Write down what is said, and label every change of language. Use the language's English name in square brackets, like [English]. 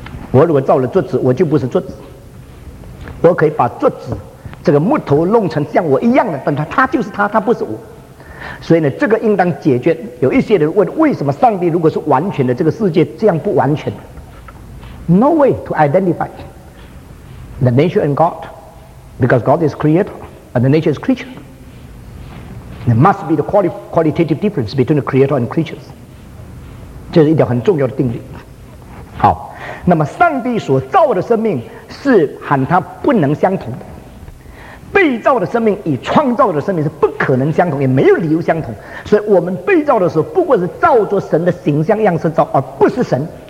[Chinese] 我如果造了桌子，我就不是桌子。我可以把桌子这个木头弄成像我一样的，但它就是它，它不是我。所以呢，这个应当解决。有一些人问，为什么上帝如果是完全的，这个世界这样不完全？ [English] No way to identify the nature and God, because God is creator and the nature is creature. There must be the qualitative difference between the creator and creatures. [Chinese] 这是一条很重要的定律。好，那么上帝所造的生命是喊它不能相同的，被造的生命与创造的生命是不可能相同，也没有理由相同。所以我们被造的时候，不过是造作神的形象样式造，而不是神。